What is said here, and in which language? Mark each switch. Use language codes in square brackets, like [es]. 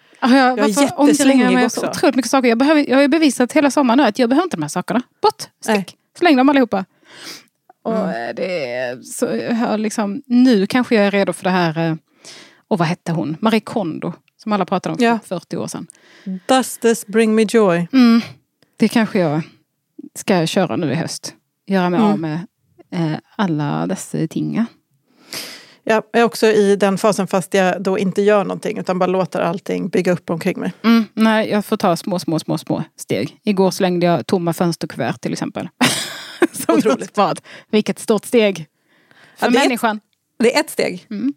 [sv] Jag är jätteslängig med också. Otroligt mycket saker. Jag har ju bevisat hela sommaren nu att jag behöver inte de här sakerna. Bort. Stick. Släng dem allihopa. Och det är, så jag liksom, nu kanske jag är redo för det här. Och vad hette hon? Marie Kondo. Som alla pratade om för 40 år sedan. [en] Does this bring me joy? Mm. [sv] Det kanske jag ska köra nu i höst. Göra mig av med alla dessa ting. Jag är också i den fasen fast jag då inte gör någonting utan bara låter allting bygga upp omkring mig. Mm, nej, jag får ta små steg. Igår slängde jag tomma fönsterkuvert till exempel. Som otroligt. Spad. Vilket stort steg för människan. Det är ett steg.